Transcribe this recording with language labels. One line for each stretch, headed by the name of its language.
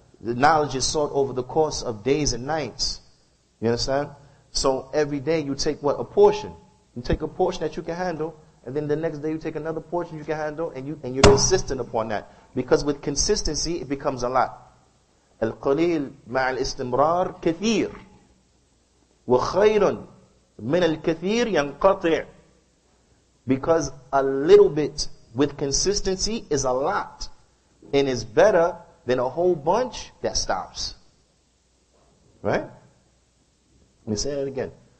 English: The knowledge is sought over the course of days and nights. You understand? So every day you take what? A portion. You take a portion that you can handle. And then the next day you take another portion you can handle. And you're consistent upon that. Because with consistency, it becomes a lot.
Arabic: القليل مع الاستمرار كثير وخير من الكثير ينقطع.
English: Because a little bit with consistency is a lot and is better than a whole bunch that stops. Right? Let me say it again.